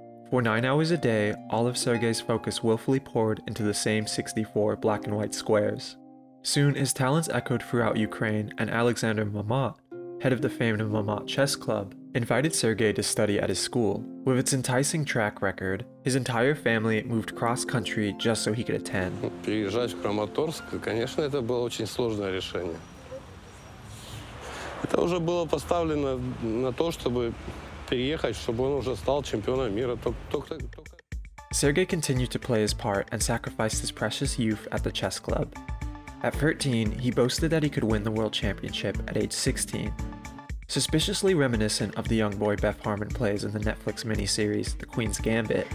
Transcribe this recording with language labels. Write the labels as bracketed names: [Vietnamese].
[English] For 9 hours a day, all of Sergey's focus willfully poured into the same 64 black and white squares. Soon, his talents echoed throughout Ukraine, and Alexander Mamat, head of the famed Mamat Chess Club, invited Sergey to study at his school. With its enticing track record, his entire family moved cross-country just so he could attend. [Russian] Переезжать в Краматорск, конечно, это было очень сложное решение. Это уже было поставлено на то, чтобы переехать, чтобы он уже стал чемпионом мира. [English] Sergey continued to play his part and sacrificed his precious youth at the chess club. At 13, he boasted that he could win the world championship at age 16. Suspiciously reminiscent of the young boy Beth Harmon plays in the Netflix miniseries, The Queen's Gambit.